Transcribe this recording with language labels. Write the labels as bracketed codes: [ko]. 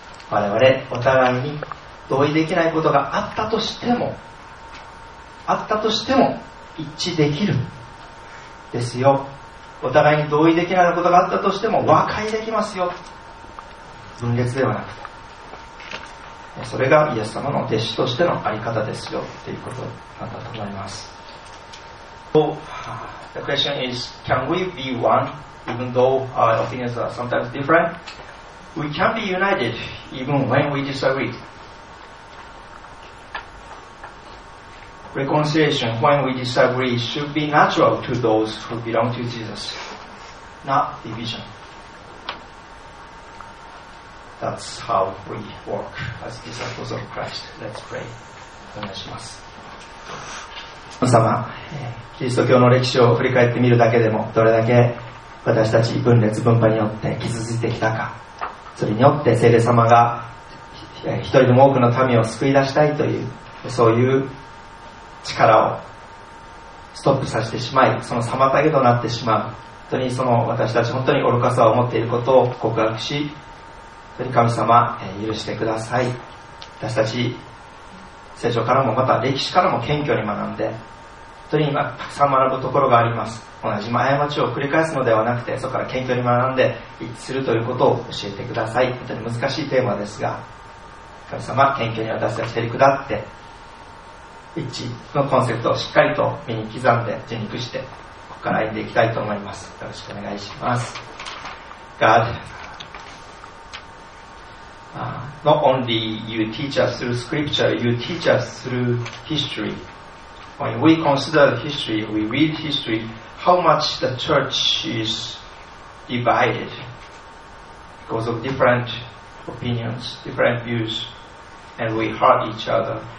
[ja] 我々お互いに同意できないことがあったとしても、あったとしても一致できるですよ。お互いに同意できないことがあったとしても和解できますよ。分裂ではなくて、それがイエス様の弟子としての在り方ですよということなんだと思います。 [en] So the question is, can we be one even though our opinions are sometimes different? We can be united even when we disagree. Reconciliation when we disagree should be natural to those who belong to Jesus, not division. That's how we work as disciples of Christ. Let's pray. [ja] お願いします。皆様、キリスト教の歴史を振り返ってみるだけでも、どれだけ私たち分裂分派によって傷ついてきたか。それによって聖霊様が一人でも多くの民を救い出したいという、そういう力をストップさせてしまい、その妨げとなってしまう、本当にその私たち本当に愚かさを持っていることを告白し、本当に神様、許してください。私たち聖書からもまた歴史からも謙虚に学んで、本当に今たくさん学ぶところがあります。同じ過ちを繰り返すのではなくて、そこから謙虚に学んで一致するということを教えてください。本当に難しいテーマですが、神様、謙虚に私たち照り下って、一致のコンセプトをしっかりと身に刻んで自肉して、ここから歩んでいきたいと思います。よろしくお願いします。 [en] GodNot only you teach us through scripture, you teach us through history. When we consider history, we read history, how much the church is divided because of different opinions, different views, and we hurt each other.